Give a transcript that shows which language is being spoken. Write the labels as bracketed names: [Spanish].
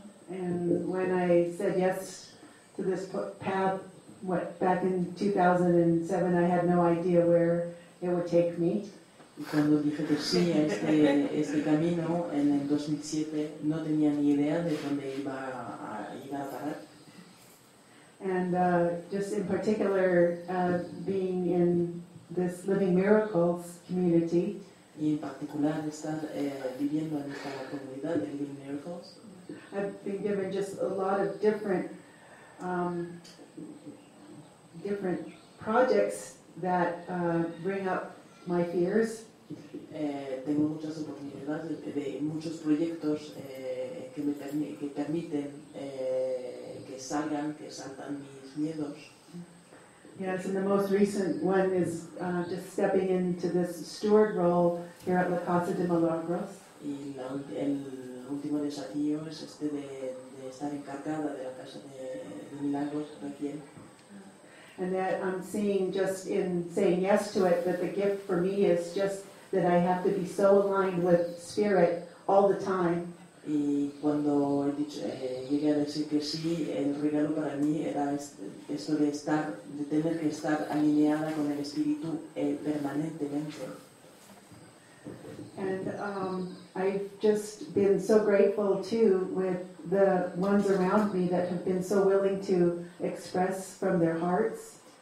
[English] And when I said yes to this path, back in 2007, I had no idea where it would take me. [Spanish] Cuando dije que sí a este camino en el 2007, no tenía ni idea de dónde iba a ir a parar. [English] And just in particular, being in this Living Miracles community. [Spanish] Y en particular estar viviendo en esta comunidad de Living Miracles. [English] I've been given just a lot of different projects that bring up my fears. [Spanish] Tengo muchas oportunidades de muchos proyectos que permiten que salgan, que saltan mis miedos. [English] Yes, and the most recent one is just stepping into this steward role here at La Casa de Milagros. [Spanish] Y el último desafío es este de estar encargada de la Casa de Milagros aquí. [English] And that I'm seeing just in saying yes to it, that the gift for me is just that I have to be so aligned with spirit all the time. [Spanish] Y cuando llegué a decir que sí, el regalo para mí era esto de tener que estar alineada con el espíritu permanentemente. [English] And I've just been so grateful too with the ones around me that have been so willing to express from their hearts.